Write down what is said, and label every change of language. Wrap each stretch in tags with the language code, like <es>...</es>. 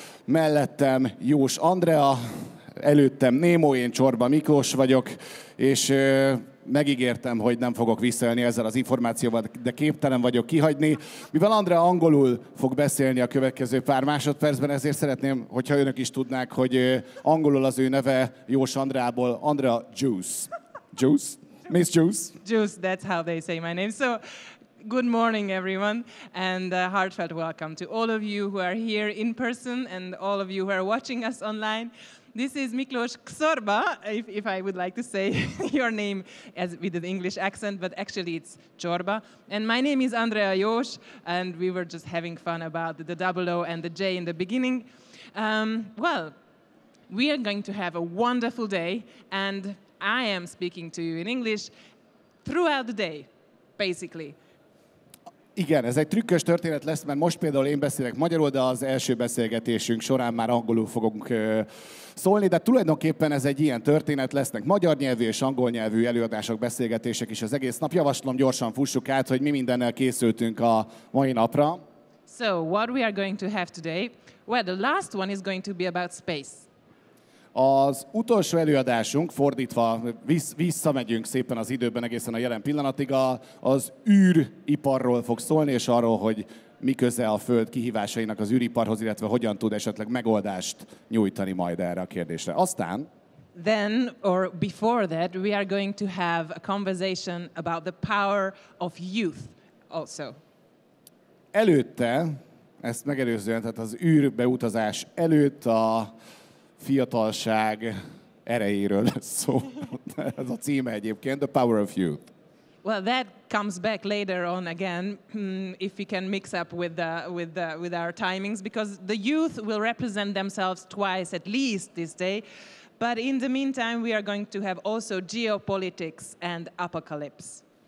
<hu>Mellettem Jós Andrea, előttem Némo, én Csorba Miklós vagyok, és megígértem, hogy nem fogok visszaélni ezzel az információval, de képtelen vagyok kihagyni. Mivel Andrea angolul fog beszélni a következő pár másodpercben, ezért szeretném, hogyha önök is tudnák, hogy angolul az ő neve Jós Andreából, Andrea Juice.</hu> <en>Juice? Miss Juice? Juice, that's how they say my name. So, good morning everyone, and a heartfelt welcome to all of you who are here in person and all of you who are watching us online. This is Miklós Csorba, if I would like to say your name as with an English accent, but actually it's Csorba. And my name is Andrea Jós, and we were just having fun about the double O and the J in the beginning. Well, we are going to have a wonderful day, and I am speaking to you in English throughout the day, basically.</en> <hu>Igen, ez egy trükkös történet lesz, mert most például én beszélek magyarul, de az első beszélgetésünk során már angolul fogunk szólni, de tulajdonképpen ez egy ilyen történet lesznek. Magyar nyelvű és angol nyelvű előadások, beszélgetések is az egész nap. Javaslom, gyorsan fussuk át, hogy mi mindennel készültünk a mai napra.</hu> <en>So, what we are going to have today? Well, the last one is going to be about space.</en> <hu>Az utolsó előadásunk, fordítva, visszamegyünk szépen az időben egészen a jelen pillanatig, az űriparról fog szólni, és arról, hogy mi köze a Föld kihívásainak az űriparhoz, illetve hogyan tud esetleg megoldást nyújtani majd erre a kérdésre. Aztán...</hu> <en>Then, or before that, we are going to have a conversation about the power of youth also.</en> <hu>Előtte, ezt megelőzően, tehát az űrbeutazás előtt a... fiatalság erejéről szó. Ez a címe egyébként,</hu> <en>The Power of Youth. Well, that comes back later on again, if we can mix up with our timings, because the youth will represent themselves twice at least this day. But in the meantime, we are going to have also geopolitics and apocalypse.</en>